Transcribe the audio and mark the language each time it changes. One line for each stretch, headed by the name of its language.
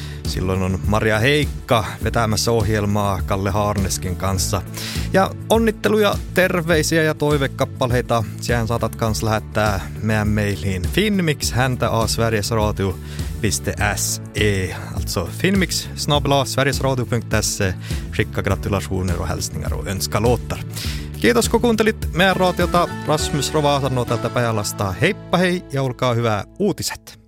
Tornedalen Finnish: Silloin on Maria Heikka vetämässä ohjelmaa Kalle Haarneskin kanssa. Ja onnitteluja, terveisiä ja toivekappaleita. Sehän saatat kans lähettää meidän mailiin finmix@sverigesradio.se.
Swedish: Alltså finmix@sverigesradio.se. Skicka gratulationer och hälsningar och önska låtar.
Tornedalen Finnish: Kiitos kun kuuntelit meidän raatiota. Rasmus Rovaa sanoo tältä Pajalasta. Heippa hei ja olkaa hyvää uutiset.